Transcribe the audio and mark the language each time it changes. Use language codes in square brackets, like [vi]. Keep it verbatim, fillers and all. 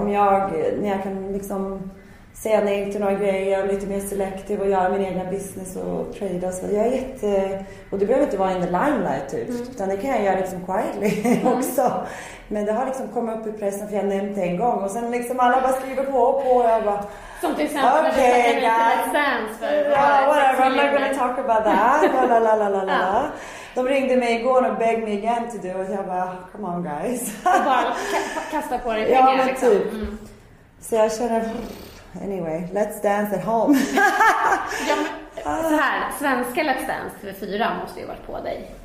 [sv] Om jag, när jag kan liksom säga nej till några grejer, lite mer selektiv och göra min egna business och trade och så. Jag är jätte... Och det behöver inte vara in the limelight typ. Mm. Utan det kan jag göra liksom quietly mm. också. Men det har liksom kommit upp i pressen för jag nämnde en gång. Och sen liksom alla bara skriver på och på och jag bara... Som till exempel okay, när du [en] för yeah, whatever, I'm not gonna talk about that. La, la, la, la, la. [sv] De ringde mig igår och [en] begged me again to do. [sv] Och jag bara, [en] come on guys. [sv] Och bara k- kasta på dig pengar ja, men liksom. Typ. Mm. Så jag känner... [en] Anyway, let's dance at home. [sv] ja, men, så här, svenska Let's Dance för fyra måste ju varit på dig.